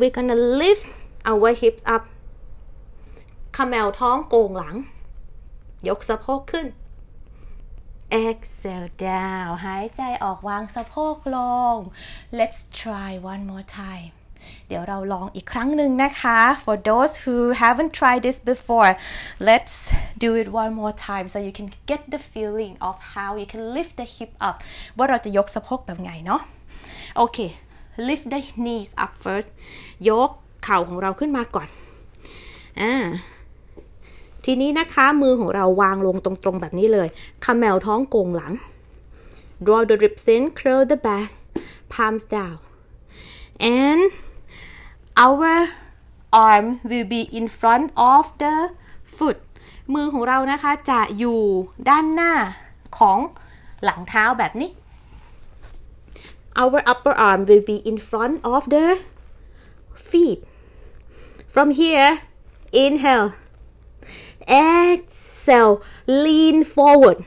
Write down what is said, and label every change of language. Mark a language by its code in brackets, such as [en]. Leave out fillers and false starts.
[en] We're gonna lift our hips up. คะแมวท้องโก่งหลังยกสะโพกขึ้น Exhale down หายใจออกวางสะโพกลง Let's try one more time เดี๋ยวเราลองอีกครั้งหนึ่งนะคะ For those who haven't tried this before Let's do it one more time So you can get the feeling of how you can lift the hip up ว่าเราจะยกสะโพกแบบไงเนาะ [th] โอเค Lift the knees up first ยกเข่าของเราขึ้นมาก่อนทีนี้นะคะมือของเราวางลงตรงๆแบบนี้เลยคาเมลท้องโก่งหลัง [en] draw the ribs in, curl the back, palms down, and our arm will be in front of the foot. [th] มือของเรานะคะจะอยู่ด้านหน้าของหลังเท้าแบบนี้ Our upper arm will be in front of the feet. [en] From here, inhale. Exhale, lean forward.